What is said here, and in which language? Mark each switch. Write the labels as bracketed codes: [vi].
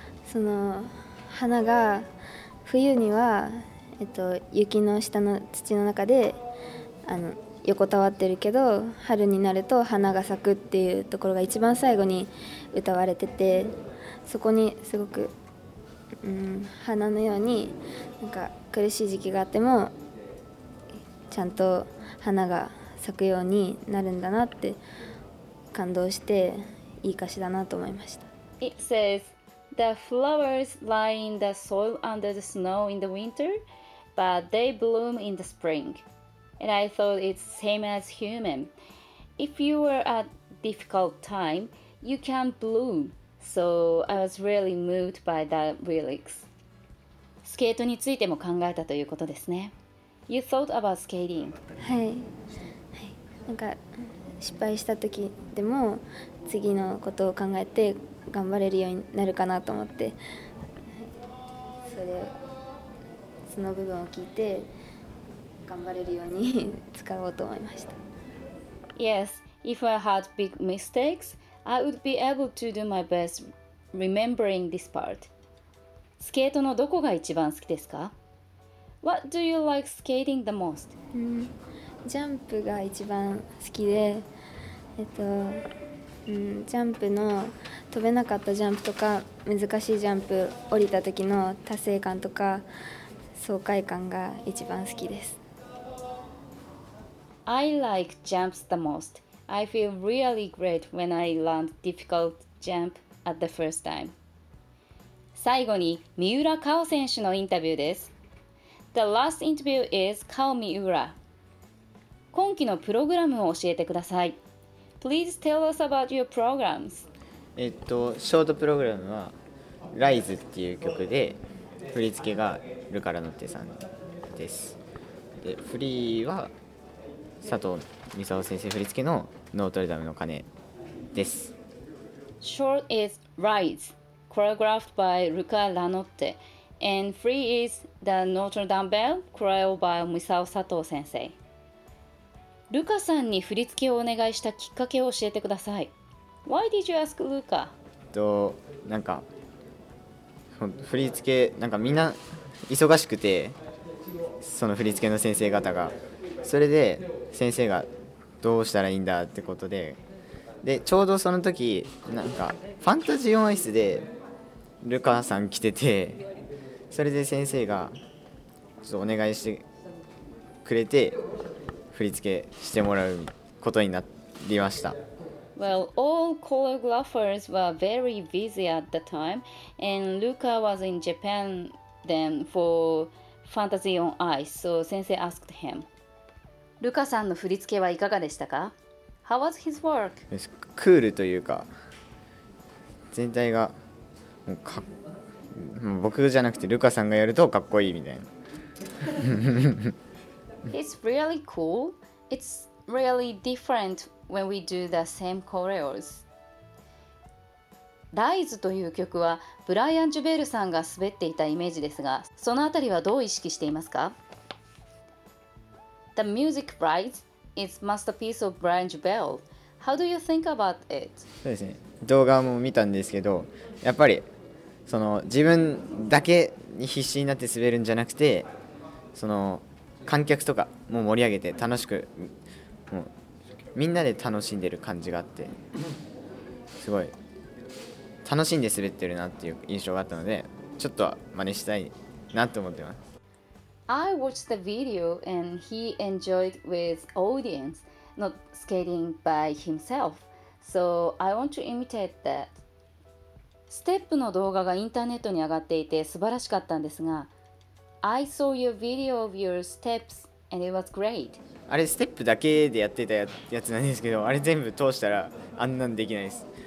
[ja] その花が冬には雪の下の土の中で横たわってるけど、春になると花が咲くっていうところが一番最後に歌われてて。そこにすごく、花のようになんか苦しい時期があってもちゃんと花が咲くようになるんだなって感動していい歌詞だなと思いました。 [en] It says, The flowers lie in the soil under the snow in the winter, but they bloom in the spring. And I thought it's same as human. If you were at a difficult time, you can bloom. So, I was really moved by the lyrics. [ja] スケートについても考えたということですね。 [en] You thought about skating. [ja] はい。なんか失敗した時でも次のことを考えて頑張れるようになるかなと思って、その部分を聞いて頑張れるように使おうと思いました。 [en] Yes, if I had big mistakes,I would be able to do my best remembering this part. [ja] スケートのどこが一番好きですか? [en] What do you like skating the most? [ja] ジャンプが一番好きで、ジャンプの飛べなかったジャンプとか難しいジャンプ降りた時の達成感とか爽快感が一番好きです。 [en] I like jumps the most. I feel really great when I land difficult jump at the first time. [ja] 最後に三浦佳生選手のインタビューです。 [en] The last interview is Kao Miura. [ja] 今季のプログラムを教えてください。 [en] Please tell us about your programs. [ja] ショートプログラムは Rise っていう曲で、振り付けがルカラノッテさんです。で、フリーは佐藤美沙夫先生振り付けのノートルダムの鐘です。 [en] Short is Rise, choreographed by Luca Ranotte, and free is the Notre Dame Bell, choreographed by 美沙夫佐藤先生。 [ja] ルカさんに振り付けをお願いしたきっかけを教えてください。 [en] Why did you ask Luca? [ja] なんか振り付けなんかみんな忙しくて、その振り付けの先生方が。それで先生がどうしたらいいんだってことで、でちょうどその時なんかファンタジーオンアイスでルカさん来てて、それで先生がちょっとお願いしてくれて振り付けしてもらうことになりました。 [en] Well, all choreographers were very busy at the time and Luca was in Japan then for Fantasy on Ice, so 先生 asked him [ja] ルカさんの振り付けはいかがでしたか? [en] How was his work? [ja] クールというか、全体がもうかもう僕じゃなくてルカさんがやるとかっこいいみたいな。 [en] It's really cool. It's really different when we do the same choreos. [ja] ライズという曲はブライアン・ジュベールさんが滑っていたイメージですが、そのあたりはどう意識していますか？ [en] The music Rise is masterpiece of Brian Jubel. How do you think about it? [ja] そうですね、動画も見たんですけど、やっぱりその自分だけに必死になって滑るんじゃなくて、その観客とかも盛り上げて楽しく、もうみんなで楽しんでる感じがあって、すごい楽しんで滑ってるなっていう印象があったので、ちょっとは真似したいなと思ってます。 [en] I watched the video and he enjoyed with audience, not skating by himself. So I want to imitate that. [ja] ステップの動画がインターネットに上がっていて素晴らしかったんですが、 [en] I saw your video of your steps and it was great. [ja] あれステップだけでやってたやつなんですけど、あれ全部通したらあんなんできないです。